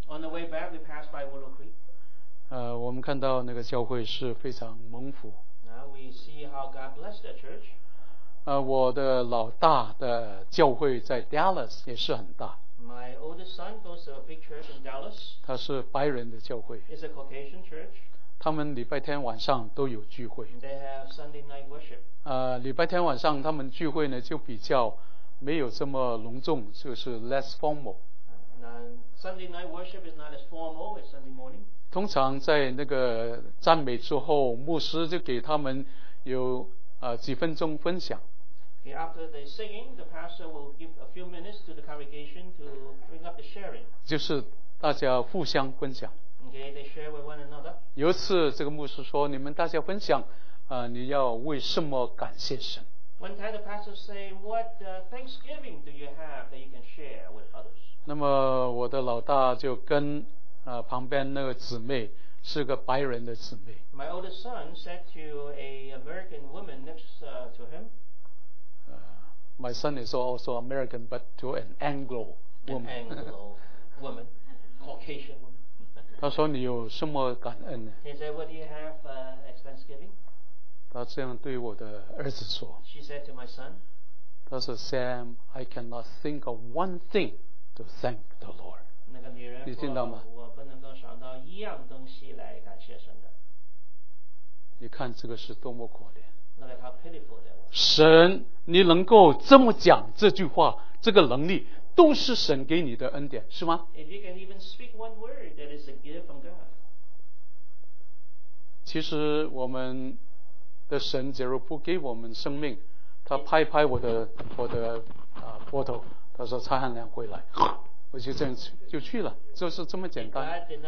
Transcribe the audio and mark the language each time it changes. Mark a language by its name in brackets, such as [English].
[English] On the way back, we passed by Willow Creek. [Chinese] 我们看到那个教会是非常蒙福。 [English] Now we see how God blessed that church. [Chinese] 我的老大的教会在 Dallas 也是很大。 [English] My oldest son goes to a big church in Dallas. [Chinese] 他是白人的教会。 [English] It's a Caucasian church. [Chinese] 他们礼拜天晚上都有聚会。 [English] They have Sunday night worship. [Chinese] 礼拜天晚上他们聚会呢就比较没有这么隆重，就是 [English] less formal. Sunday night worship is not as formal as Sunday morning. [Chinese] 通常在那个赞美之后，牧师就给他们有几分钟分享。 [English] Okay, after the singing, the pastor will give a few minutes to the congregation to bring up the sharing. [Chinese] 就是大家互相分享。 [English] Okay, they share with one another. [Chinese] 有一次这个牧师说，你们大家分享，你要为什么感谢神。 [English] One time the pastor say, what thanksgiving do you have that you can share with others? [Chinese] 那么我的老大就跟旁边那个姊妹，是个白人的姊妹。 [English] My oldest son said to an American woman next to him. My son is also American, but to an Anglo woman. An Anglo woman, Caucasian woman. [Chinese] 他说你有什么感恩呢？ [English] He said, what do you have as thanksgiving? [Chinese] 他这样对我的儿子说。 [English] She said to my son. [Chinese] 他说 [English] Sam, I cannot think of one thing to thank the Lord. [Chinese] 那个女人说，你听到吗？我不能够想到一样东西来感谢神的。你看这个是多么可怜。 [English] Look at how pitiful that was. [Chinese] 神，你能够这么讲这句话，这个能力都是神给你的恩典，是吗？ [English] If you can even speak one word, that is a gift from God. [Chinese] 其实我们的神假如不给我们生命，他拍拍我的波头，他说蔡汉良回来，我就这样就去了，就是这么简单。